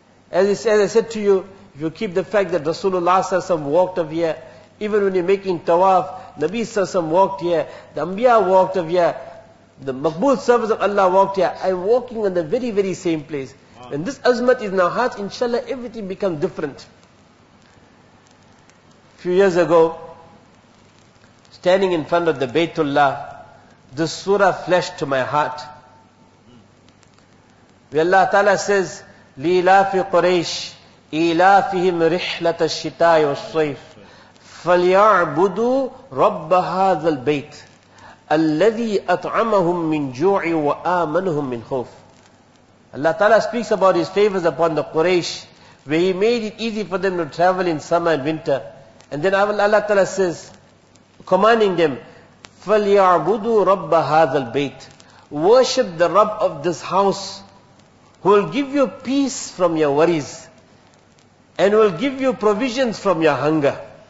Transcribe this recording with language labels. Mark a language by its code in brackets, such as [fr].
[en] As I said to you, if you keep the fact that Rasulullah ﷺ walked of here, even when you're making tawaf, Nabi ﷺ walked here, the Anbiya walked of here, the maqbool servants of Allah walked here, I'm walking on the very, very same place. Wow. When this azmat is in our hearts, inshallah, everything becomes different. Few years ago, standing in front of the Baytullah, this surah flashed to my heart. [ar] Where Allah Ta'ala says, لِإِلَافِ قُرَيْشِ إِلَافِهِمْ رِحْلَةَ الشِّتَاءِ وَالصَّيْفِ فَلْيَعْبُدُوا رَبَّ هَذَا الْبَيْتِ الَّذِي أَطْعَمَهُمْ مِنْ جُوعِ وَآمَنُهُمْ مِنْ خَوْفِ. [en] Allah Ta'ala speaks about His favors upon the Quraysh, where He made it easy for them to travel in summer and winter. And then Allah Ta'ala says, commanding them, [ar] فَلْيَعْبُدُوا رَبَّ هَذَا الْبَيْتِ. [en] Worship the Rabb of this house, who will give you peace from your worries, and will give you provisions from your hunger.